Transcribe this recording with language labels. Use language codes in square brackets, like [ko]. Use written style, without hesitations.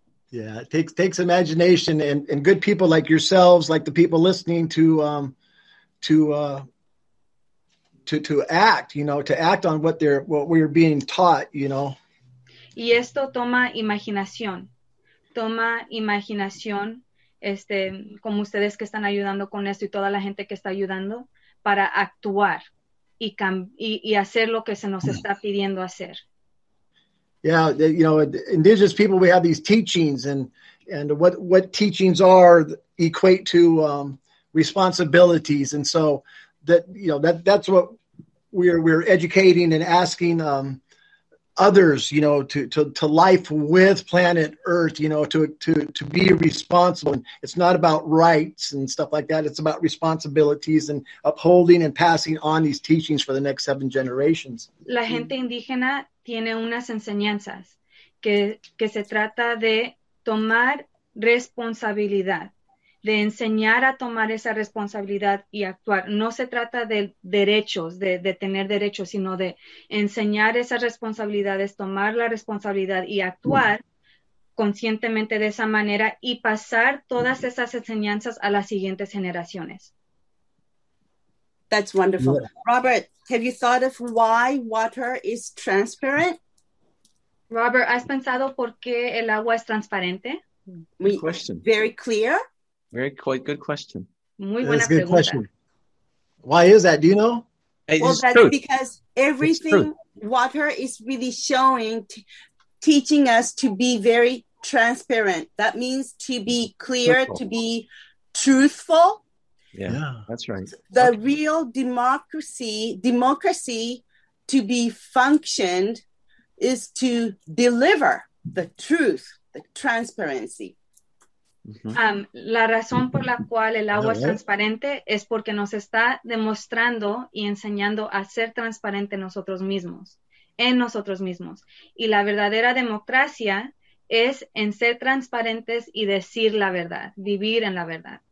[en] Yeah, it takes imagination and good people like yourselves, like the people listening to act, you know, to act on what we're being taught, you know. [es] Y esto toma imaginación, como ustedes que están ayudando con esto y toda la gente que está ayudando para actuar y hacer lo que se nos está pidiendo hacer. [en] Yeah, you know, indigenous people, we have these teachings and what teachings are equate to responsibilities. And so that, you know, that's what we're educating and asking others, you know, to life with planet Earth, you know, to be responsible. And it's not about rights and stuff like that. It's about responsibilities and upholding and passing on these teachings for the next 7 generations. [es] La gente indígena tiene unas enseñanzas que se trata de tomar responsabilidad, de enseñar a tomar esa responsabilidad y actuar. No se trata de derechos, de tener derechos, sino de enseñar esas responsabilidades, tomar la responsabilidad y actuar conscientemente de esa manera y pasar todas esas enseñanzas a las siguientes generaciones. [en] That's wonderful. Yeah. Robert, have you thought of why water is transparent? [es] Robert, ¿has pensado por qué el agua es transparente? [en] Good question. Very clear? Very good question. [es] Muy buena pregunta. Good question. [en] Why is that? Do you know? Well, it's that's truth. Because everything water is really showing, teaching us to be very transparent. That means to be clear, truthful. To be truthful. Yeah, that's right. The okay. Real democracy to be functioned is to deliver the truth, the transparency. Mm-hmm. [es] La razón por la cual el agua es transparente es porque nos está demostrando y enseñando a ser transparente nosotros mismos, en nosotros mismos. Y la verdadera democracia es en ser transparentes y decir la verdad, vivir en la verdad.